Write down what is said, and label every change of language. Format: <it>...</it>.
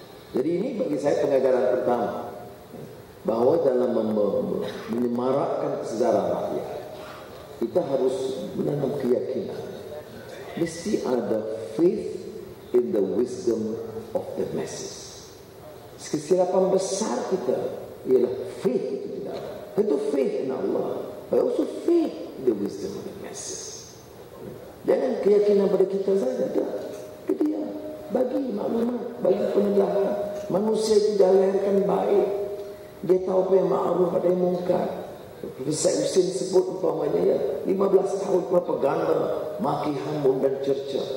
<ms>Jadi ini bagi saya pengajaran pertama, bahwa dalam menyemarakkan kesedaran rakyat, kita harus menanam keyakinan. Mesti ada</ms> <en>faith in the wisdom of the masses.</en> <ms>Kesilapan besar kita ialah</ms> <en>faith</en> <ms>itu tidak. Itu</ms> <en>faith in Allah, but also faith in the wisdom of the masses.</en> <ms>Jangan keyakinan pada kita saja. Dia bagi maklumat, bagi penjelasan. Manusia itu dilahirkan baik. Dia tahu apa yang ma'ruf, ada yang mungkar. Profesor Husin sebut umpamanya ya, 15 tahun propaganda, maki hambur dan cerca.</ms>